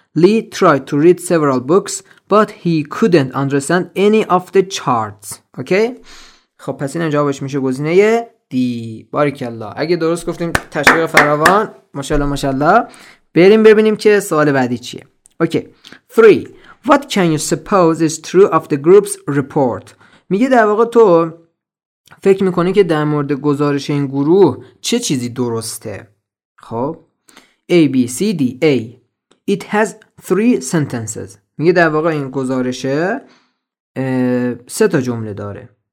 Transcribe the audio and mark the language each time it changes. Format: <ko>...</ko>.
<en>Lee tried to read several books but he couldn't understand any of the charts.</en> <fa>اوکی؟ خب پس این جوابش میشه گزینه دی. باریکالله، اگه درست گفتیم تشویق فراوان، ماشاءالله ماشاءالله. بریم ببینیم که سوال بعدی چیه. اوکی. 3.</fa> <en>what can you suppose is true of the group's report.</en> <fa>میگه در واقع تو فکر میکنی که در مورد گزارش این گروه چه چیزی درسته. خب A B C D. A</fa> <en>it has three sentences.</en> <fa>میگه در واقع این گزارشه سه تا جمله داره.</fa>